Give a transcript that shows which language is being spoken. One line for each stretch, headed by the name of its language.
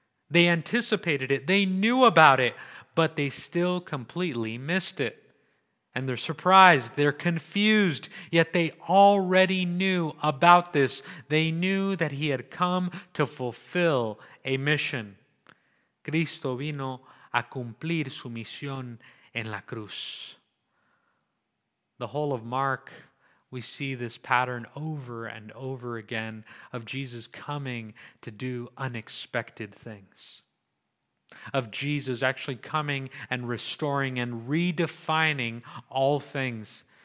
English: They anticipated it, they knew about it, but they still completely missed it. And they're surprised, they're confused, yet they already knew about this. They knew that he had come to fulfill a mission.
Spanish: Cristo vino a cumplir su misión en la cruz.
English: The whole of Mark, we see this pattern over and over again of Jesus coming to do unexpected things. Of Jesus actually coming and restoring and redefining all things.